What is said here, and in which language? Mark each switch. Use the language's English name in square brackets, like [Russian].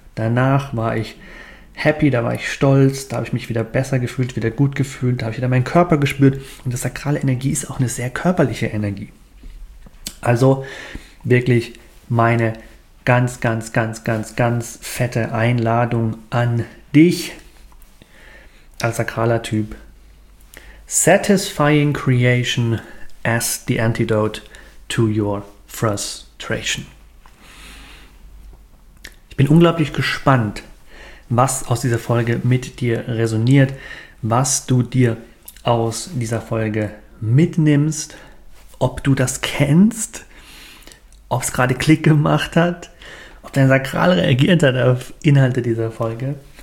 [German] Danach war ich happy, da war ich stolz, da habe ich mich wieder besser gefühlt, wieder gut gefühlt, da habe ich wieder meinen Körper gespürt. Und die sakrale Energie ist auch eine sehr körperliche Energie. Also wirklich meine ganz, ganz, ganz, ganz, ganz fette Einladung an dich als sakraler Typ. [English] Satisfying Creation as the antidote to your frustration. [German] Ich bin unglaublich gespannt, was aus dieser Folge mit dir resoniert, was du dir aus dieser Folge mitnimmst, ob du das kennst, ob es gerade Klick gemacht hat, ob dein Sakral reagiert hat auf Inhalte dieser Folge.